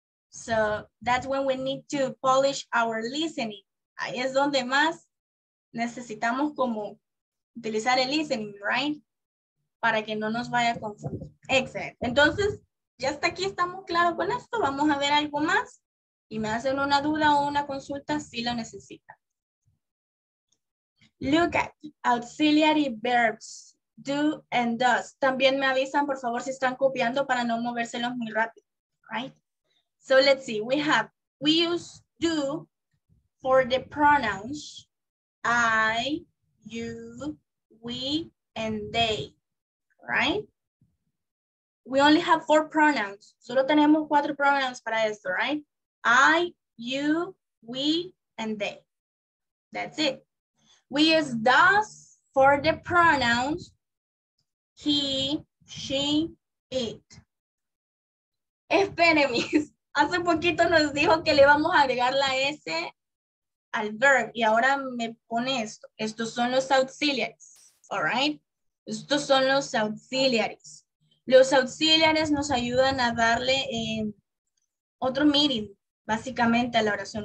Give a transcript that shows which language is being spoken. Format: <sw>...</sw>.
<en>So that's when we need to polish our listening.</en> <es>Ahí es donde más necesitamos como utilizar el listening, right? Para que no nos vaya a confundir. Excelente. Entonces, ya hasta aquí estamos claros con esto. Vamos a ver algo más. Y me hacen una duda o una consulta si lo necesitan.</es> <en>Look at auxiliary verbs. Do and does.</en> <es>También me avisan, por favor, si están copiando para no movérselos muy rápido, right?</es> <en>So let's see. We use do for the pronouns I, you, we, and they, right? We only have four pronouns.</en> <es>Solo tenemos cuatro pronouns para esto,</es> <en>right? I, you, we, and they. That's it. We use does for the pronouns he, she, it.</en> <es>Espérenme. Hace poquito nos dijo que le vamos a agregar la S al verb. Y ahora me pone esto. Estos son los auxiliaries. All right. Estos son los auxiliaries. Los auxiliaries nos ayudan a darle otro meaning, básicamente, a la oración.</es>